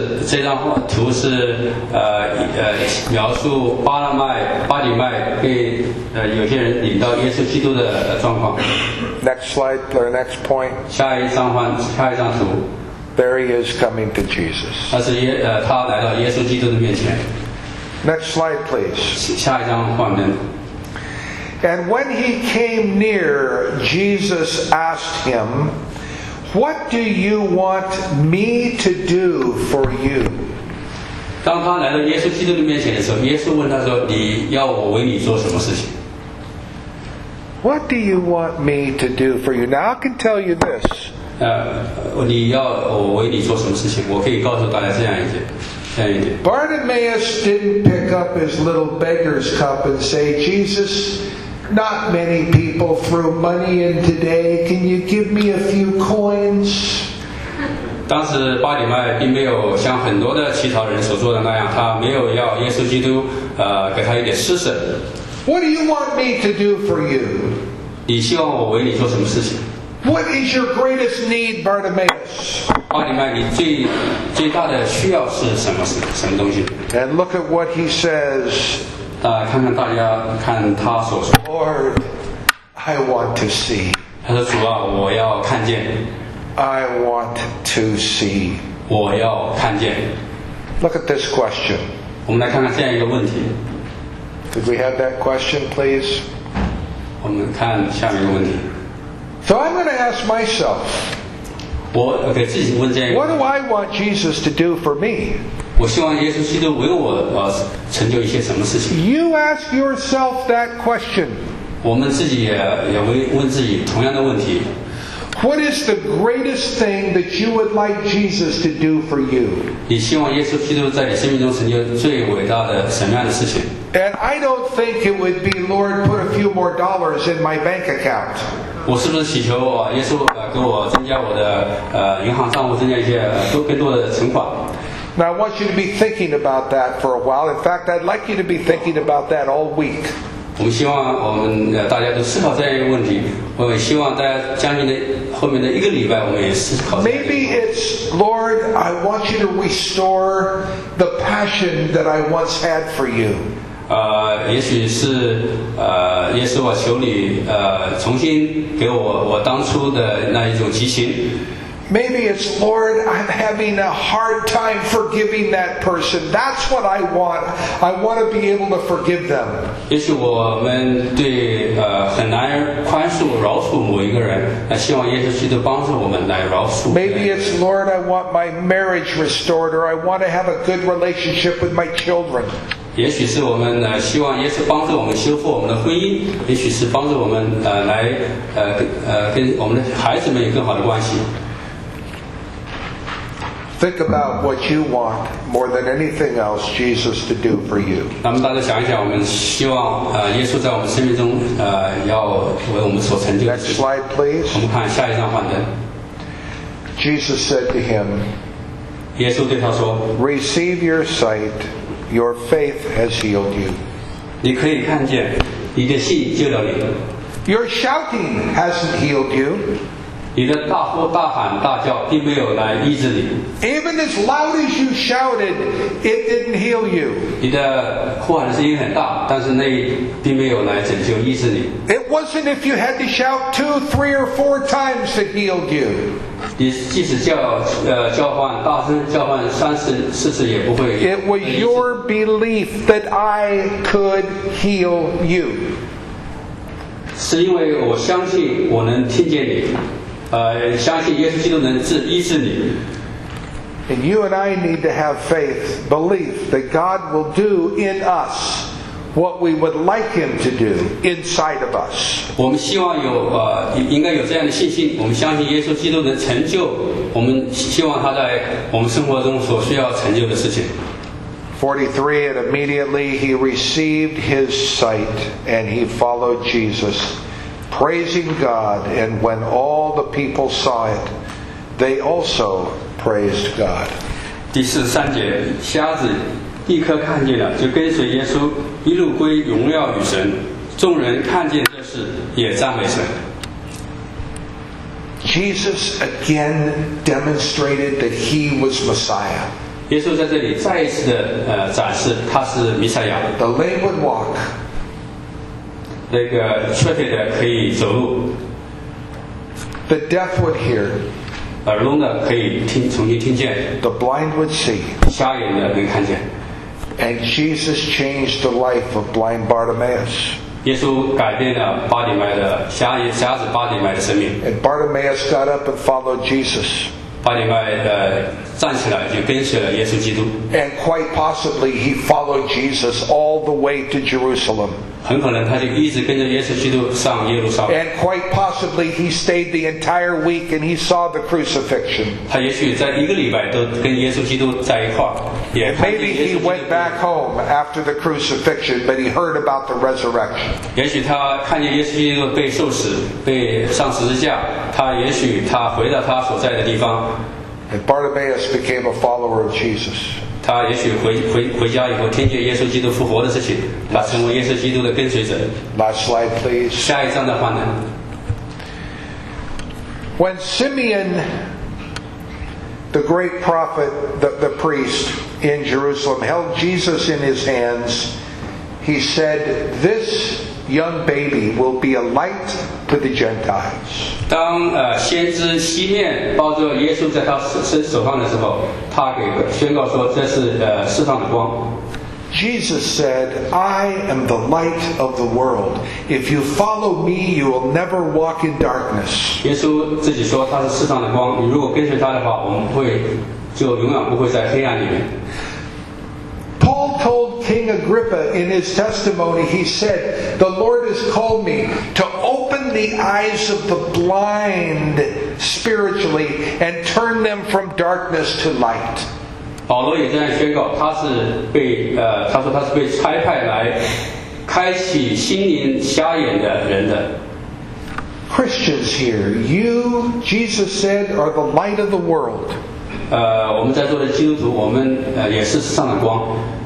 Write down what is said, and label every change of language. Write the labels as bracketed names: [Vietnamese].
[Chinese] 这张图是描述巴拿麦被有些人领到耶稣基督的状况。 [English] Next slide or next point. [Chinese] 下一张图。 [English] There he is coming to Jesus. [Chinese] 他来到耶稣基督的面前。 [English] Next slide, please. [Chinese] 下一张画面。 [English] And when he came near, Jesus asked him, "What do you want me to do for you?" [Chinese] 当他来到耶稣基督的面前的时候，耶稣问他说：“你要我为你做什么事情？” [English] What do you want me to do for you? Now I can tell you this. [Chinese] 你要我为你做什么事情？我可以告诉大家这样一点。 [English] Bartimaeus didn't pick up his little beggar's cup and say, "Jesus." Not many people threw money in today. Can you give me a few coins? [Chinese] 当时巴里麦并没有像很多的乞讨人所做的那样，他没有要耶稣基督给他一点施舍。 [English] What do you want me to do for you? [Chinese] 你希望我为你做什么事情？ [English] What is your greatest need, Bartimaeus? [Chinese] 巴里麦，你最大的需要是什么东西？ [English] And look at what he says. [Chinese] 看看大家看他所说。 [English] Lord, I want to see. [Chinese] 他说主啊，我要看见。 [English] I want to see. [Chinese] 我要看见。 [English] Look at this question. [Chinese] 我们来看看这样一个问题。 [English] Could we have that question, please? [Chinese] 我们看下面一个问题。 [English] So I'm going to ask myself. [Chinese] 我给自己问这样一个问题。 [English] What do I want Jesus to do for me? [Chinese] 我希望耶稣基督为我成就一些什么事情。 [English] You ask yourself that question. [Chinese] 我们自己也问自己同样的问题。 [English] What is the greatest thing that you would like Jesus to do for you? [Chinese] 你希望耶稣基督在你生命中成就最伟大的什么样的事情？ [English] And I don't think it would be, Lord, put a few more dollars in my bank account. [Chinese] 我是不是祈求耶稣给我增加我的银行账户，增加一些更多的存款？ [English] Now I want you to be thinking about that for a while. In fact, I'd like you to be thinking about that all week. [Chinese] 我希望我们大家都思考这样一个问题。我希望大家将近的后面的一个礼拜，我们也思考这样一个问题。 [English] Maybe it's Lord, I want you to restore the passion that I once had for you. [Chinese] 也许是耶稣，我求你重新给我当初的那一种激情。 [English] Maybe it's, Lord, I'm having a hard time forgiving that person. That's what I want. I want to be able to forgive them. [Chinese] 也许我们对很难宽恕饶恕某一个人，那希望耶稣基督帮助我们来饶恕。 [English] Maybe it's, Lord, I want my marriage restored, or I want to have a good relationship with my children. [Chinese] 也许是我们希望耶稣帮助我们修复我们的婚姻，也许是帮助我们来跟我们的孩子们有更好的关系。 [English] Think about what you want more than anything else Jesus to do for you. [Chinese] 那么大家想一想，我们希望耶稣在我们生命中要为我们所成就的。 [English] Next slide, please. [Chinese] 我们看下一张幻灯。 [English] Jesus said to him. [Chinese] 耶稣对他说。 [English] Receive your sight, your faith has healed you. [Chinese] 你可以看见，你的信救了你。 [English] Your shouting hasn't healed you. [Chinese] 你的大呼大喊大叫并没有来医治你。 [English] Even as loud as you shouted, it didn't heal you. [Chinese] 你的呼喊的声音很大，但是那并没有来拯救医治你。 [English] It wasn't if you had to shout two, three, or four times to heal you. [Chinese] 你即使叫唤大声叫唤三次四次也不会。 [English] It was your belief that I could heal you. [Chinese] 是因为我相信我能听见你。相信耶稣基督能医治你。 [English] And you and I need to have faith, belief that God will do in us what we would like Him to do inside of us. [Chinese] 我们希望有应该有这样的信心。我们相信耶稣基督能成就我们希望他在我们生活中所需要成就的事情。 [English] 43 and immediately he received his sight and he followed Jesus. Praising God, and when all the people saw it, they also praised God. [Chinese] 第四十三节，瞎子立刻看见了，就跟随耶稣，一路归荣耀与神。众人看见这事，也赞美神。 [English] Jesus again demonstrated that he was Messiah. [Chinese] 耶稣在这里再一次的展示他是弥赛亚。 [English] The lame would walk. [Chinese] 那个瘸腿的可以走路 [English] ，the deaf would hear， [Chinese] 耳聋的可以听重新听见 [English] ，the blind would see， [Chinese] 瞎眼的能看见 [English] ，and Jesus changed the life of blind Bartimaeus。 [Chinese] 耶稣改变了巴底麦的瞎子巴底麦的生命 [English] ，and Bartimaeus got up and followed Jesus。 [Chinese] 巴底麦站起来就跟随了耶稣基督 [English] ，and quite possibly he followed Jesus all the way to Jerusalem。 [Chinese] 很可能他就一直跟着耶稣基督上耶路撒冷。 [English] And quite possibly he stayed the entire week and he saw the crucifixion. [Chinese] 他也许在一个礼拜都跟耶稣基督在一块儿。 [English] And maybe he went back home after the crucifixion, but he heard about the resurrection. [Chinese] 也许他看见耶稣基督被受死，被上十字架，他也许他回到他所在的地方。 [English] And Bartimaeus became a follower of Jesus. [Chinese] 他也许 回家以后听见耶稣基督复活的事情，他成为耶稣基督的跟随者。 [English] Last slide, please. [Chinese] 下一张的话呢 [English] ？When Simeon, the great prophet, the priest in Jerusalem, held Jesus in his hands, he said, "This young baby will be a light to the Gentiles." [Chinese] 当先知西面抱着耶稣在他手上的时候。他给宣告说这是释放的光。 [English] Jesus said, I am the light of the world. If you follow me, you will never walk in darkness. [Chinese] 耶稣自己说他是释放的光，你如果跟随他的话，我们会就永远不会在黑暗里面。 [English] Paul told King Agrippa in his testimony, he said, the Lord has called me to open the eyes of the blind. Spiritually, and turn them from darkness to light. [Chinese] 保罗也这样宣告，他是被他说他是被差派来开启心灵瞎眼的人的。 [English] Christians here, you, Jesus said, are the light of the world. [Chinese] 我们在座的基督徒，我们也是世上的光。